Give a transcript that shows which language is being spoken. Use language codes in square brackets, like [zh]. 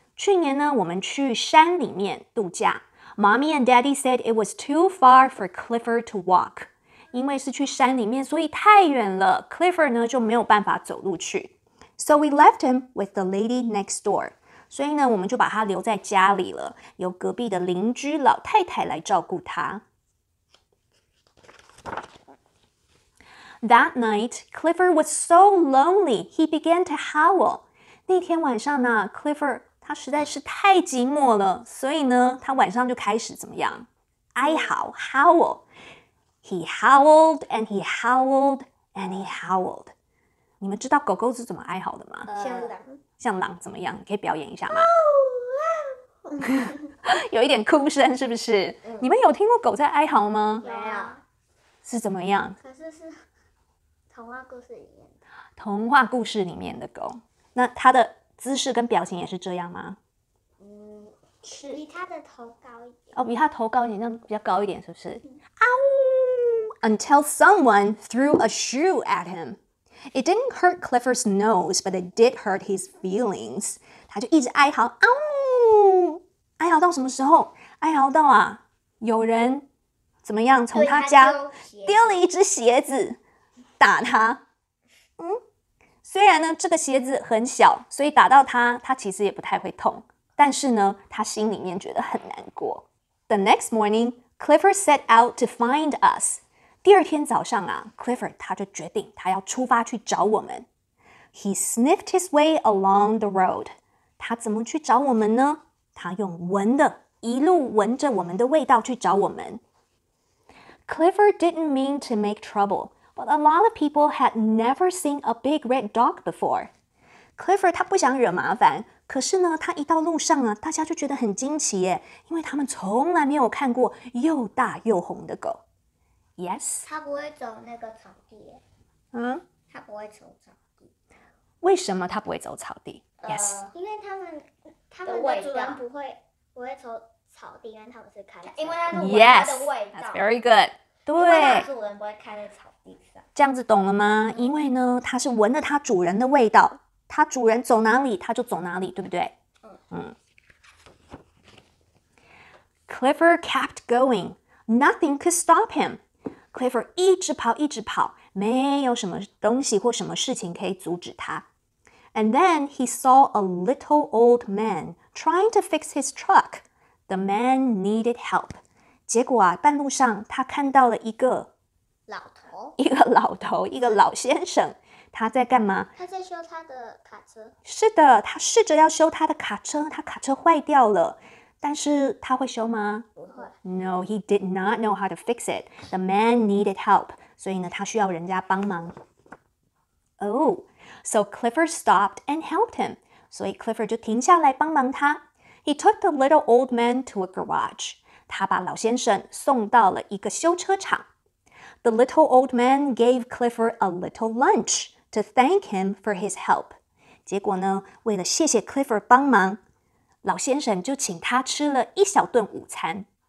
[zh] 去年呢，我们去山里面度假。 [en] Mommy and Daddy said it was too far for Clifford to walk. [zh] 因为是去山里面，所以太远了。 Clifford 呢就没有办法走路去。 [en] So we left him with the lady next door. [zh] 所以呢我们就把他留在家里了由隔壁的邻居老太太来照顾他。 [en] That night, Clifford was so lonely, he began to howl. [zh] 那天晚上呢 Clifford, 他实在是太寂寞了所以呢他晚上就开始怎么样哀嚎 howl. [en] He howled and he howled and he howled. [zh] 你们知道狗狗是怎么哀嚎的吗像狼怎么样你可以表演一下吗有一点哭声是不是、嗯、你们有听过狗在哀嚎吗没有。是怎么样可是童话故事里面的。童话故事里面的狗。那它的姿势跟表情也是这样吗嗯是。比它的头高一点。哦比它头高一点这样比较高一点是不是、嗯、 [en] Until someone threw a shoe at him. It didn't hurt Clifford's nose, but it did hurt his feelings. [zh] 他就一直哀嚎，啊呜！哀嚎到什么时候？哀嚎到啊，有人怎么样？从他家丢了一只鞋子，打他。嗯，虽然呢，这个鞋子很小，所以打到他，他其实也不太会痛。但是呢，他心里面觉得很难过。 [en] The next morning, Clifford set out to find us. [zh] 第二天早上啊 ,Clifford 他就决定他要出发去找我们。 [en] He sniffed his way along the road. [zh] 他怎么去找我们呢他用闻的一路闻着我们的味道去找我们。 [en] Clifford didn't mean to make trouble, but a lot of people had never seen a big red dog before. [zh] Clifford 他不想惹麻烦可是呢他一到路上啊大家就觉得很惊奇耶因为他们从来没有看过又大又红的狗。 [en] Yes. [zh] 他不会走那个草地。嗯。他不会走草地。为什么他不会走草地？ [en] Yes. [zh] 因为他们的主人不会走草地，因为他们是开车。因为他是闻他的味道。 [en] Yes. That's very good. [zh] 对。因为他主人不会开在草地上。这样子懂了吗？因为呢，他是闻了他主人的味道，他主人走哪里，他就走哪里，对不对？嗯。嗯。 [en] Clifford kept going. Nothing could stop him.Clifford [zh] 一直跑一直跑没有什么东西或什么事情可以阻止他。 [en] And then he saw a little old man trying to fix his truck. The man needed help. [zh] 结果啊，半路上他看到了一个老头，一个老头，一个老先生。他在干嘛？他在修他的卡车。是的，他试着要修他的卡车，他卡车坏掉了。但是他会修吗？不会。 [en] No, he did not know how to fix it. The man needed help. [zh] 所以呢，他需要人家帮忙。 [en] Oh, so Clifford stopped and helped him. [zh] 所以 Clifford 就停下来帮忙他。 [en] He took the little old man to a garage. [zh] 他把老先生送到了一个修车厂。 [en] The little old man gave Clifford a little lunch to thank him for his help. [zh] 结果呢，为了谢谢 Clifford 帮忙，老先生就请他吃了一小顿午餐。